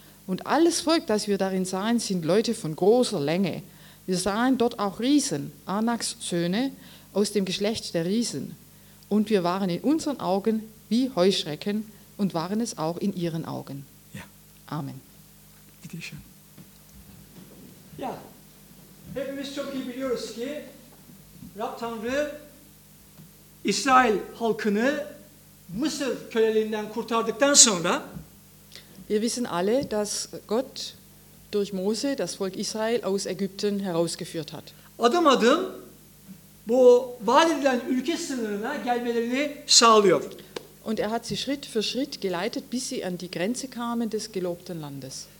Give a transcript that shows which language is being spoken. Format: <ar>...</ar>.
<de>Und alles Volk, das wir darin sahen, sind Leute von großer Länge. Wir sahen dort auch Riesen, Anaks Söhne, aus dem Geschlecht der Riesen. Und wir waren in unseren Augen wie Heuschrecken und waren es auch in ihren Augen. Ja. Amen. Bitte schön.</de> <tr>Ja, hebben wir schon gibi görüyoruz ki, Rab Tanrı, İsrail halkını Mısır köleliğinden kurtardıktan sonra,</tr> <de>wir wissen alle, dass Gott durch Mose das Volk Israel aus Ägypten herausgeführt hat.</de> <tr>Adım adım bu vaat edilen ülke sınırına gelmelerini sağlıyor.</tr> <de>Und hat sie Schritt für Schritt geleitet, bis sie an die Grenze kamen des gelobten Landes.</de>